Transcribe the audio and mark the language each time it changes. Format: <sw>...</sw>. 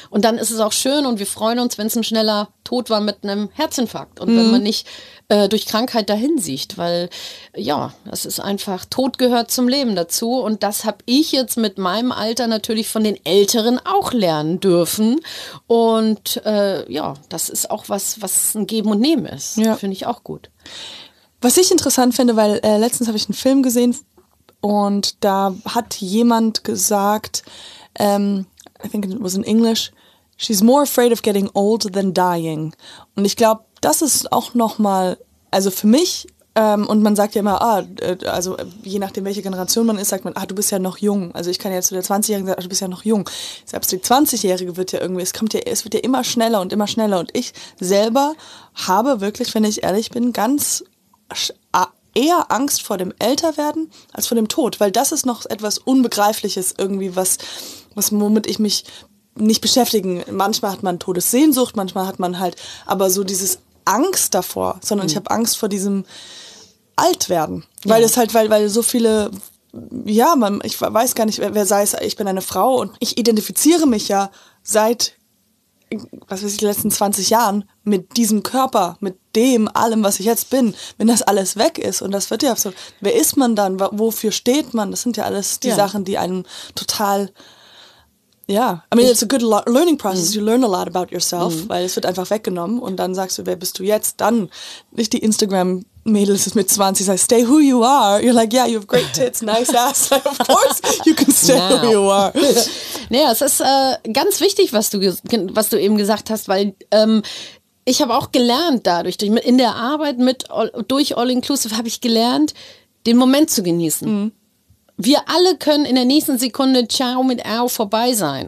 <de>Und dann ist es auch schön und wir freuen uns, wenn es ein schneller Tod war mit einem Herzinfarkt und wenn man nicht durch Krankheit dahin sieht, weil ja, das ist einfach, Tod gehört zum Leben dazu und das habe ich jetzt mit meinem Alter natürlich von den Älteren auch lernen dürfen und ja, das ist auch was, was ein Geben und Nehmen ist, ja. Finde ich auch gut. Was ich interessant finde, weil letztens habe ich einen Film gesehen und da hat jemand gesagt,</de> <en>I think it was in English, She's more afraid of getting old than dying.</en> <de>Und ich glaube, das ist auch nochmal, also für mich, und man sagt ja immer, also je nachdem, welche Generation man ist, sagt man, du bist ja noch jung. Also ich kann ja zu der 20-Jährigen sagen, du bist ja noch jung. Selbst die 20-Jährige wird ja irgendwie, es wird ja immer schneller und immer schneller. Und ich selber habe wirklich, wenn ich ehrlich bin, ganz eher Angst vor dem Älterwerden als vor dem Tod. Weil das ist noch etwas Unbegreifliches irgendwie, was womit ich mich nicht beschäftigen. Manchmal hat man Todessehnsucht, manchmal hat man halt, aber so dieses Angst davor, sondern ich habe Angst vor diesem Altwerden. Weil es halt, weil so viele, ja, man, ich weiß gar nicht, wer sei es, ich bin eine Frau und ich identifiziere mich ja seit, was weiß ich, den letzten 20 Jahren mit diesem Körper, mit dem, allem, was ich jetzt bin, wenn das alles weg ist und das wird ja so, wer ist man dann, wofür steht man, das sind ja alles die Sachen, die einem total.</de> <en>Ja, yeah. I mean, it's a good learning process. You learn a lot about yourself,</en> <de>weil es wird einfach weggenommen und dann sagst du, wer bist du jetzt? Dann nicht die Instagram-Mädels mit 20, sagst,</de> <en>stay who you are. You're like, yeah, you have great tits, nice ass. Like, of course, you can stay who you are.</en> <de>Naja, es ist ganz wichtig, was du eben gesagt hast, weil ich habe auch gelernt dadurch, in der Arbeit durch All Inclusive habe ich gelernt, den Moment zu genießen. Mhm. Wir alle können in der nächsten Sekunde ciao mit au vorbei sein.</de>